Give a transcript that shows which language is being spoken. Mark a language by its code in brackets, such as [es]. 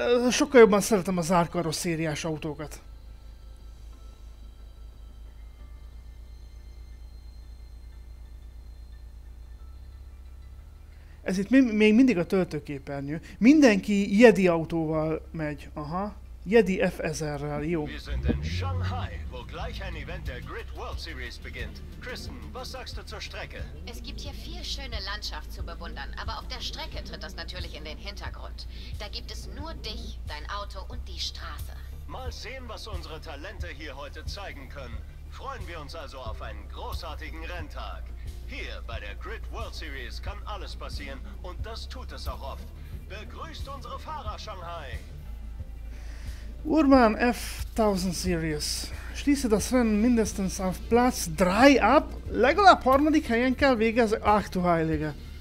[hu] Sokkal jobban szeretem a zárkaros szériás autókat. Ez itt még mindig a töltőképernyő. Mindenki Jedi autóval megy. Aha. Jedi F1000-rel, jó. [de] Wir sind in Shanghai, wo gleich ein Event der Grid World Series beginnt. Kristen, was sagst du zur Strecke? Es gibt hier viel schöne Landschaft zu bewundern, aber auf der Strecke tritt das natürlich in den Hintergrund. Da gibt es nur dich, dein Auto und die Straße. Mal sehen, was unsere Talente hier heute zeigen können. Freuen wir uns also auf einen großartigen Renntag. Hier bei der Grid World Series kann alles passieren und das tut es auch oft. Begrüßt unsere Fahrer Shanghai. Urban F 1000 Series. Schließe das Rennen mindestens auf Platz 3 ab. [hu] Legalább harmadik helyen kell végezni. [de] Ach du heilige.